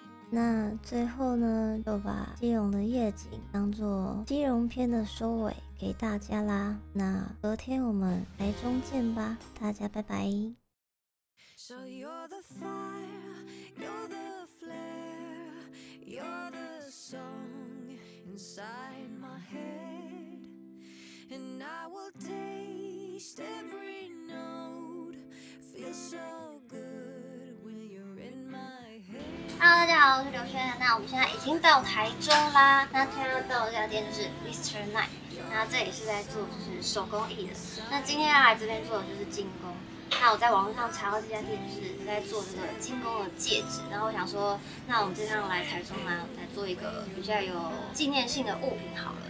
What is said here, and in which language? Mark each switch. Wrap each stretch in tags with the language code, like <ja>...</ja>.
<zh>那最后呢，就把基隆的夜景当作基隆篇的收尾给大家啦。那隔天我们台中见吧，大家拜拜。</zh> <en>So you're the fire, you're the flare, you're the song inside my head. And I will taste every note, feel so good when you're in my head.</en> <zh>Hello, 大家好，我是刘轩。那我们现在已经到台中啦。那现在到的这家店就是 Mr. Night， 那这里是在做就是手工艺的。那今天要来这边做的就是金工。那我在网络上查到这家店就是在做这个金工的戒指，然后我想说，那我们今天要来台中呢，来做一个比较有纪念性的物品好了。</zh>